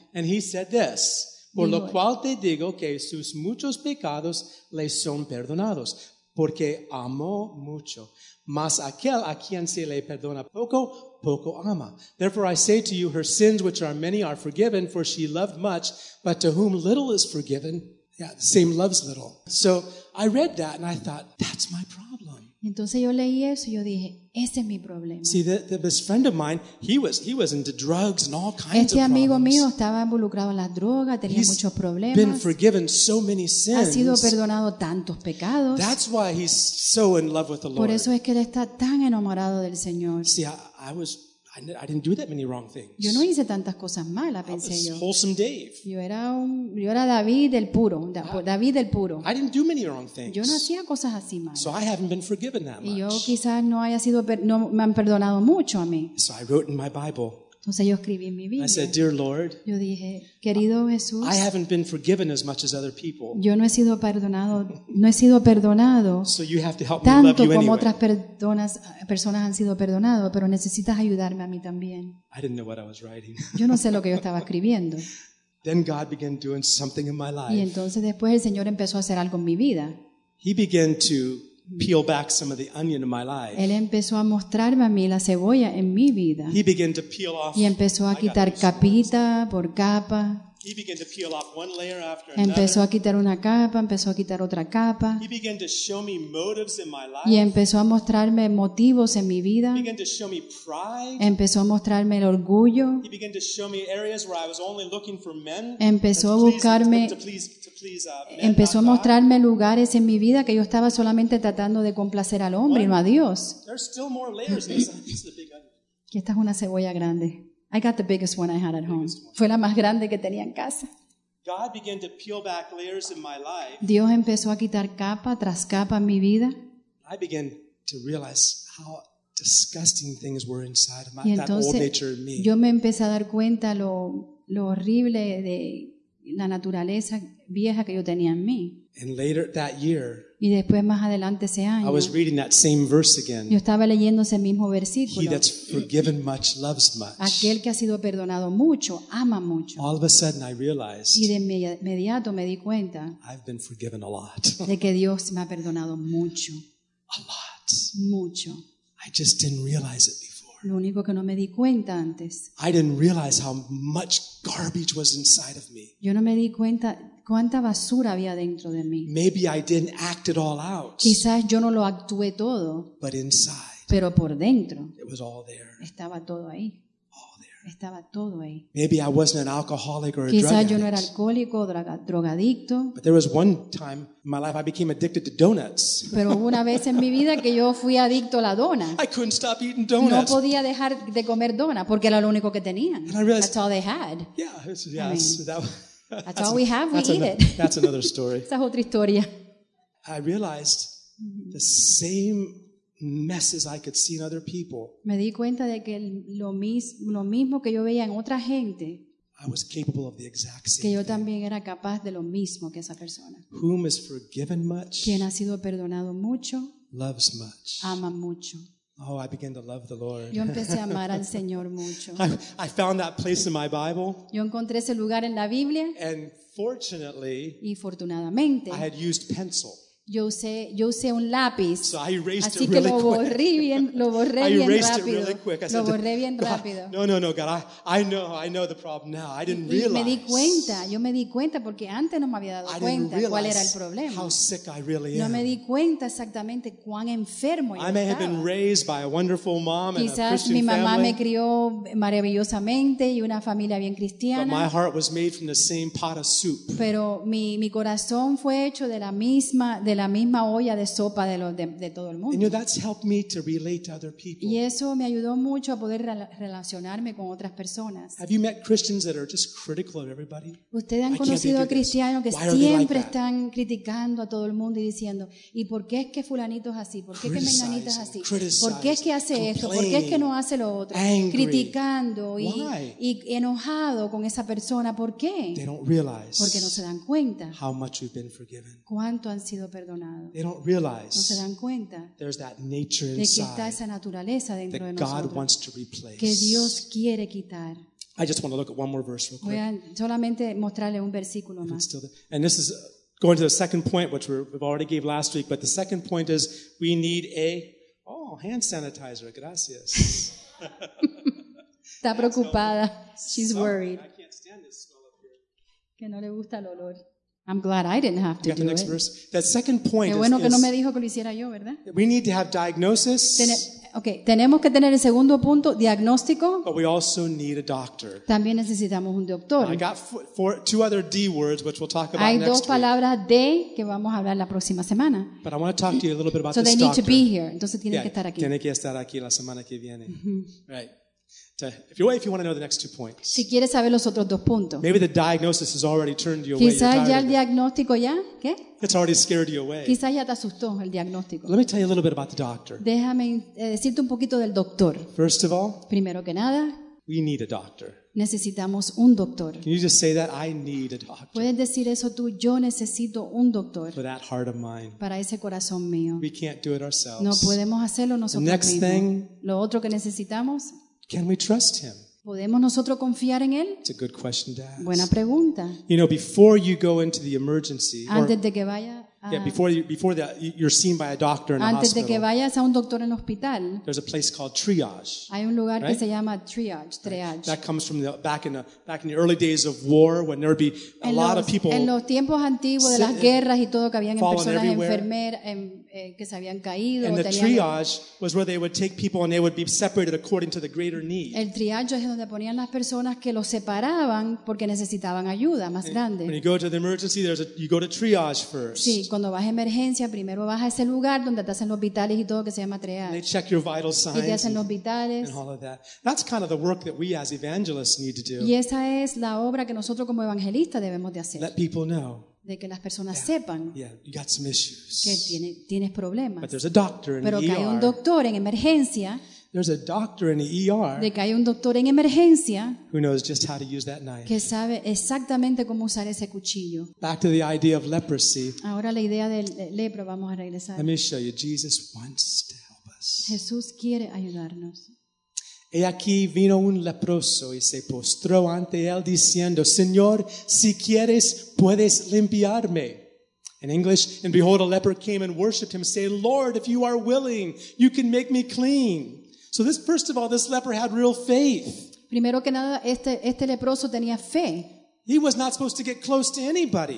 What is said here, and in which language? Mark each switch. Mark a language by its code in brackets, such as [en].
[en] And he said this, [es] por lo cual te digo que sus muchos pecados le son perdonados, porque amó mucho. Mas aquel a quien se le perdona poco, poco ama. [en] Therefore I say to you, her sins which are many are forgiven, for she loved much, but to whom little is forgiven, same loves little. So I read that and I thought, that's my problem. [es] Entonces yo leí eso y yo dije, ese es mi problema. [en] See, this friend of mine, he was into drugs and all kinds of problems. [es] Este amigo mío estaba involucrado en las drogas, tenía [en] he's [es] muchos problemas. [en] Been forgiven so many sins. [es] Ha sido perdonado tantos pecados. [en] That's why he's so in love with the Lord. [es] Por eso es que él está tan enamorado del Señor. [en] See, I didn't do that many wrong things. [es] Yo no hice tantas cosas malas, pensé yo. [en] I was wholesome Dave. [es] Yo era David el puro, David el puro. [en] I didn't do many wrong things. [es] Yo no hacía cosas así malas. [en] So I haven't been forgiven that much. [es] Y yo quizás no haya sido, no me han perdonado mucho a mí. [en] So I wrote in my Bible. [es] Entonces yo escribí en mi Biblia. [en] I said, "Dear Lord." [es] Yo dije, querido Jesús. [en] I haven't been forgiven as much as other people. [es] Yo no he sido perdonado, [en] So you have to help me [es] tanto [en] love you [es] como [en] anyway. [es] Otras personas han sido perdonado, pero necesitas ayudarme a mí también. [en] I didn't know what I was writing. [es] Yo no sé lo que yo estaba escribiendo. [en] Then God began doing something in my life. [es] Y entonces después el Señor empezó a hacer algo en mi vida. [en] He began to peel back some of the onion in my life. [es] Él empezó a mostrarme a mí la cebolla en mi vida. [en] He began to peel off, [es] y empezó a quitar capita por capa. [en] He began to peel off one layer after [es] empezó A quitar una capa, empezó a quitar otra capa. [en] He began to show me motives in my life. [es] Y empezó a mostrarme motivos en mi vida. [en] He began to show me pride. [es] Empezó a mostrarme el orgullo. [en] He began to show me areas where I was only looking for men. [es] Empezó a buscarme. Empezó a mostrarme lugares en mi vida que yo estaba solamente tratando de complacer al hombre y no a Dios. [en] There's still more layers. This is the big onion. [es] Y esta es una cebolla grande. [en] I got the biggest one I had at home. [es] Fue la más grande que tenía en casa. [en] God began to peel back layers in my life. [es] Dios empezó a quitar capa tras capa en mi vida. [en] I began to realize how disgusting things were inside of my, that old nature in me. [es] Yo me empecé a dar cuenta lo horrible de la naturaleza vieja que yo tenía en mí. [en] And later that year, [es] y después más adelante ese año, [en] I was reading that same verse again. [es] Yo estaba leyendo ese mismo versículo. [en] He that's forgiven much loves much. [es] Aquel que ha sido perdonado mucho ama mucho. [en] All of a sudden I realized, [es] y de inmediato me di cuenta, [en] I've been forgiven a lot. [es] De que Dios me ha perdonado mucho. [en] A lot. [es] Mucho. [en] I just didn't realize it before. [es] Lo único que no me di cuenta antes. [en] I didn't realize how much garbage was inside of me. [es] Yo no me di cuenta cuánta basura había dentro de mí. [en] Maybe I didn't act it all out. [es] Quizás yo no lo actué todo. [en] But inside. [es] Pero por dentro. [en] It was all there. [es] Estaba todo ahí. [en] All there. [es] Estaba todo ahí. [en] Maybe I wasn't an alcoholic or a [es] quizás [en] drug addict. [es] Yo no era alcohólico o drogadicto. [en] But there was one time in my life I became addicted to donuts. [es] Pero hubo una vez en mi vida que yo fui adicto a la dona. [en] I couldn't stop eating donuts. [es] No podía dejar de comer dona porque era lo único que tenían. [en] And I realized, that's all they had. That's another story. [es] Esa es otra historia. [en] I realized the same messes I could see in other people. [es] Me di cuenta de que lo mismo que yo veía en otra gente. [en] I was capable of the exact same. [es] Que yo también era capaz de lo mismo que esa persona. [en] Whom is forgiven much? [es] Quien ha sido perdonado mucho. [en] Loves much. [es] Ama mucho. [en] Oh, I began to love the Lord. [es] Yo empecé a amar al Señor mucho. [en] I found that place in my Bible. [es] Yo encontré ese lugar en la Biblia. [en] And fortunately, [es] y fortunadamente, [en] I had used pencil. [es] Yo usé un lápiz. [en] So I erased [es] así [en] it really [es] que lo borré bien rápido. [en] I erased it really quick. [es] Lo borré bien rápido. [en] No, God, I know the problem now. I didn't realize. [es] Me di cuenta. Yo me di cuenta porque antes no me había dado cuenta cuál era el problema. [en] How sick I really am. [es] No me di cuenta exactamente cuán enfermo yo estaba. [en] I may have been raised by a wonderful mom and a Christian family. [es] Quizás mi mamá me crió maravillosamente y una familia bien cristiana. [en] But my heart was made from the same pot of soup. [es] Pero mi corazón fue hecho de la misma olla de sopa de todo el mundo. [en] And, you know, that's helped me to relate to other people. [es] Y eso me ayudó mucho a poder relacionarme con otras personas. [en] Have you met Christians that are just critical of everybody? [es] ¿Ustedes han conocido a cristianos que siempre están criticando a todo el mundo y diciendo, ¿y por qué es que fulanito es así? ¿Por qué es que menganita es así? ¿Por qué es que hace esto? ¿Por qué es que no hace lo otro? [en] Angry. [es] Criticando y enojado con esa persona. ¿Por qué? [en] They don't realize. [es] Porque no se dan cuenta. [en] How much we've been forgiven. [es] Cuánto han sido. [en] They don't realize [es] no se dan cuenta [en] there's that nature inside [es] de que está esa naturaleza dentro [en] that God [es] nosotros, [en] wants to replace. [es] Que Dios quiere quitar. [en] I just want to look at one more verse real quick. [es] Voy a solamente mostrarle un versículo más. [en] And this is going to the second point, which we've already gave last week, but the second point is we need a hand sanitizer. [es] Gracias. Está preocupada. [en] She's worried. I can't stand this smell up here. [es] Que no le gusta el olor. [en] I'm glad I didn't have to do it. Next verse. That second point [es] bueno [en] is [es] que no me dijo que lo hiciera yo, ¿verdad? [en] We need to have diagnosis. [es] Okay, tenemos que tener el segundo punto, diagnóstico. [en] But we also need a doctor. [es] También necesitamos un doctor. [en] I got four, two other D words, which we'll talk about [es] Hay [en] next [es] dos palabras [en] week. [es] D que vamos a hablar la próxima semana. [en] But I want to talk to you a little bit about so this they need doctor. To be here. [es] Entonces tienen que estar aquí. Tiene que estar aquí la semana que viene. [en] Right. If you want to know the next two points. [es] Si quieres saber los otros dos puntos. [en] Maybe the diagnosis has already turned you [es] quizás [en] away. [es] Quizás ya el diagnóstico ya, ¿qué? [en] It's already scared you away. [es] Quizás ya te asustó el diagnóstico. [en] Let me tell you a little bit about the doctor. [es] Déjame decirte un poquito del doctor. [en] First of all, [es] primero que nada, [en] we need a doctor. [es] Necesitamos un doctor. [en] Can you just say that I need a doctor? [es] Puedes decir eso tú, yo necesito un doctor. [en] For that heart of mine. [es] Para ese corazón mío. [en] We can't do it ourselves. [es] No podemos hacerlo nosotros mismos. [en] Next thing, [es] lo otro que necesitamos. [en] Can we trust him? [es] ¿Podemos nosotros confiar en él? [en] It's a good question to ask. [es] Buena pregunta. [en] You know, before you go into the emergency, [es] antes [en] or, [es] de que vaya a, [en] yeah, before you're seen by a doctor in a [es] antes [en] hospital, [es] de que vayas a un doctor en el hospital, [en] there's a place called triage. [es] Hay un lugar [en] right? [es] que se llama triage. Triage. Right. [en] That comes from the back in the early days of war when there would be a [es] en [en] lot [es] los, [en] of people. [es] En los tiempos antiguos de las guerras y todo que habían personas enfermeras que se habían caído. [en] And the triage was where they would take people and they would be separated according to the greater need. [es] El triage es donde ponían las personas que los separaban porque necesitaban ayuda más [en] and [es] grande. [en] When you go to the emergency, you go to triage first. [es] Sí. Cuando vas a emergencia, primero vas a ese lugar donde te hacen los vitales y todo que se llama triage. [en] They check your vital signs [es] y te hacen los vitales. [en] And all of that. That's kind of the work that we as evangelists need to do. [es] Y esa es la obra que nosotros como evangelistas debemos de hacer. [en] Let people know. [es] De que las personas sepan [en] you got some issues. [es] Que tienes problemas. [en] But there's a doctor in [es] Pero [en] the [es] que [en] ER. [es] Hay un doctor en emergencia. [en] There's a doctor in the ER. [es] De que hay un doctor en emergencia. [en] Who knows just how to use that knife? [es] Que sabe exactamente cómo usar ese cuchillo. [en] Back to the idea of leprosy. [es] Ahora la idea del lepra, vamos a regresar. [en] Let me show you. Jesus wants to help us. [es] Jesús quiere ayudarnos. He aquí vino un leproso y se postró ante él diciendo, Señor, si quieres, puedes limpiarme. [en] In English, and behold, a leper came and worshipped him, saying, Lord, if you are willing, you can make me clean. So this, first of all, this leper had real faith. [es] Primero que nada, este leproso tenía fe. [en] He was not supposed to get close to anybody.